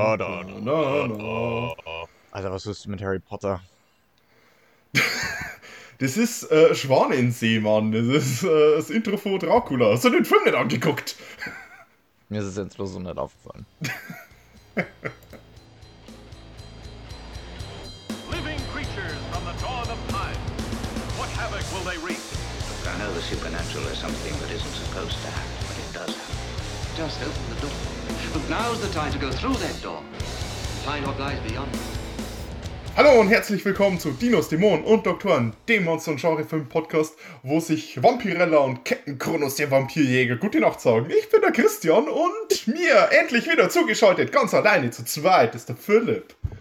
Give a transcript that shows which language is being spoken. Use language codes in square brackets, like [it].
[de] Alter, was ist mit Harry Potter? Das ist Schwanensee, Mann. Das ist das Intro von Dracula. Hast du den Film nicht angeguckt? Mir ist es jetzt bloß so nicht aufgefallen. [en] Living creatures from the dawn of time. What havoc will they wreak? I know the supernatural is something that isn't supposed to happen, but it does happen. Just open the door. Look, now's the time to go through that door. Find what lies beyond. [de] Hallo und herzlich willkommen zu Dinos, Dämonen und Doktoren, dem Monster- und Genre-Film-Podcast, wo sich Vampirella und Captain Kronos, der Vampirjäger, gute Nacht sagen. Ich bin der Christian und mir endlich wieder zugeschaltet, ganz alleine zu zweit, ist der Philipp.